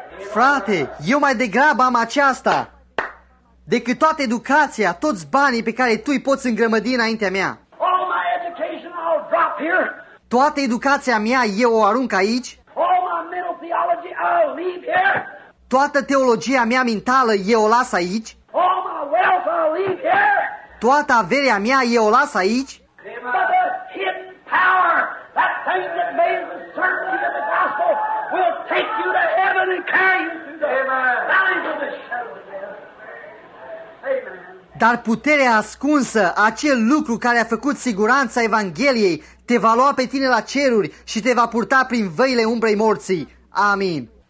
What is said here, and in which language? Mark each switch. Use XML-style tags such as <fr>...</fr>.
<ro>Frate, eu mai degrabă am aceasta decât toată educația, toți banii pe care tu îi poți îngrămădi înaintea mea.</ro> <en>All my education I'll drop here.</en> <ro>Toată educația mea eu o arunc aici.</ro> <en>All my mental theology I'll leave here.</en> <ro>Toată teologia mea mentală eu o las aici.</ro> <en>All my wealth I'll leave here.</en> <ro>Toată averea mea eu o las aici.</ro> <en>But the hidden power, that thing that made the certainty of the gospel, will take you to heaven and carry you through the valley of the shadow.</en> <ro>Dar puterea ascunsă, acel lucru care a făcut siguranța Evangheliei, te va lua pe tine la ceruri și te va purta prin văile umbrei morții. Amin.</ro>